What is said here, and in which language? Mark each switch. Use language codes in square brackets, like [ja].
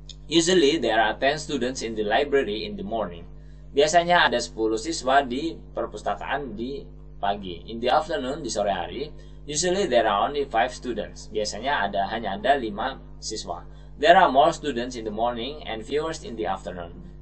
[en] Usually there are 10 students in the library in the morning. [id] Biasanya ada 10 siswa di perpustakaan di pagi. [en] In the afternoon, [id] di sore hari, [en] usually there are only 5 students. [id] Biasanya ada hanya ada 5 siswa. [en] There are more students in the morning and fewer in the afternoon.